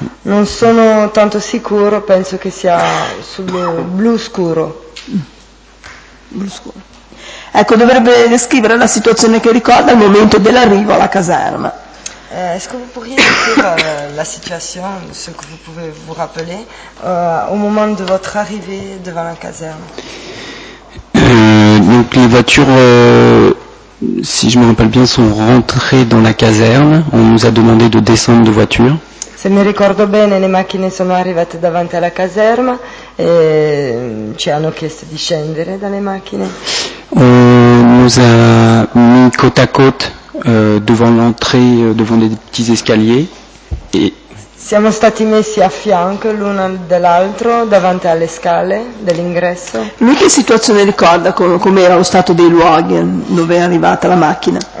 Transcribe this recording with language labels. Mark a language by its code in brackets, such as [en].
[it] Non sono tanto sicuro, penso che sia sul blu scuro. Blu scuro. Ecco, dovrebbe descrivere la situazione che ricorda al momento dell'arrivo alla caserma. [fr] Est-ce que vous pourriez décrire la situation, ce que vous pouvez vous rappeler, au moment de votre arrivée devant la caserne? Donc les voitures, si je me rappelle bien, sont rentrées dans la caserne. On nous a demandé de descendre de voiture. [it] Se mi ricordo bene, le macchine sono arrivate davanti alla caserma e ci hanno chiesto di scendere dalle macchine. [fr] On nous a mis côte à côte devant l'entrée, devant des petits escaliers. Et... [it] siamo stati messi a fianco l'uno dell'altro davanti alle scale dell'ingresso. Lui che situazione ricorda come era lo stato dei luoghi dove è arrivata la macchina?